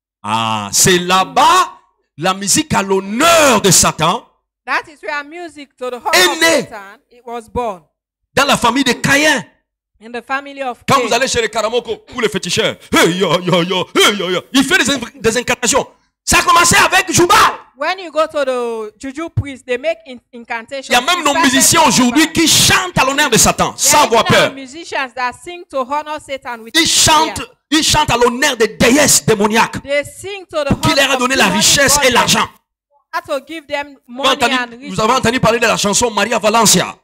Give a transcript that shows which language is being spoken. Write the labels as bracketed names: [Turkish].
[French] Ah, c'est là-bas, la musique à l'honneur de Satan, [English] that is where music to the heart [French] est née [English] of Satan, it was born. [French] Dans la famille de Caïn. [English] In the family of [French] quand vous allez chez le Karamoko ou le féticheur, hey, yo, yo, hey, yo, yo. Il fait des incantations. Ça a commencé avec Jubal. [English] When you go to the juju priest, they make incantations. [French] Il y a même nos musiciens aujourd'hui qui chantent à l'honneur de Satan, sans avoir peur. [English] Musicians that sing to honor Satan with [French] ils chantent à l'honneur des déesses démoniaques. [English] They sing to the [French] qui leur a donné la richesse et l'argent. [English] To give them money and riches. [French] Vous avez entendu parler de la chanson Maria Valencia.